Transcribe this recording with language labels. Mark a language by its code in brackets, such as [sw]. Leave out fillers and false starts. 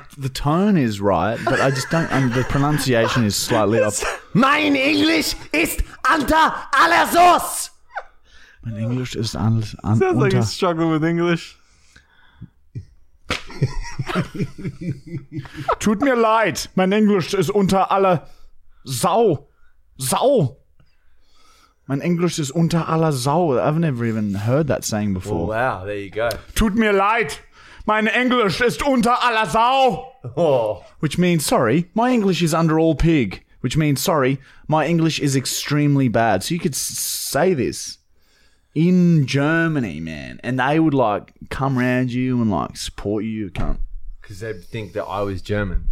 [en] The tone is right, but I just don't, and the pronunciation is slightly off. [de] Mein English ist unter Alessus. Mein English ist unter. [en] Sounds like he's struggling with English. [de] Tut mir leid, mein English ist unter aller Sau. Sau. Mein English ist unter aller Sau. [en] I've never even heard that saying before. Oh, wow, there you go. [de] Tut mir leid, mein English ist unter aller Sau. [en] Oh. Which means, sorry, my English is under all pig. Which means, sorry, my English is extremely bad. So you could say this in Germany, man. And they would, like, come around you and, like, support you, cunt. Because they'd think that I was German.